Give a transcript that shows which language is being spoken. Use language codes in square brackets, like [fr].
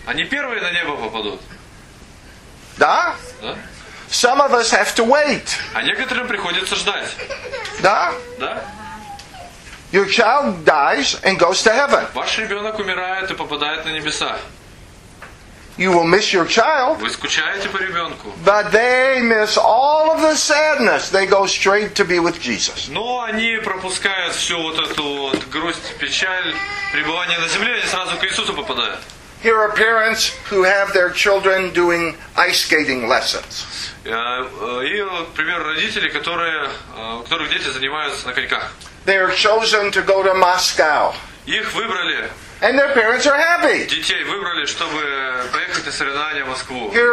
[ru] Они первые на небо попадут. Да? Да. [en] Some of us have to wait. [ru] А некоторым приходится ждать. Да? Да? [en] Your child dies and goes to heaven. [ru] Ваш ребенок умирает и попадает на небеса. [en] You will miss your child. [ru] Вы скучаете по ребенку. [en] But they miss all of the sadness. They go straight to be with Jesus. [ru] Но они пропускают всю вот эту вот грусть, печаль, пребывание на земле, они сразу к Иисусу попадают. [en] Here are parents who have their children doing ice skating lessons. [ru] И, например, родители, которые, у которых дети занимаются на коньках. [en] They are chosen to go to Moscow. [ru] Их выбрали. [en] And their parents are happy. [ru] Детей выбрали, чтобы поехать на соревнования в Москву.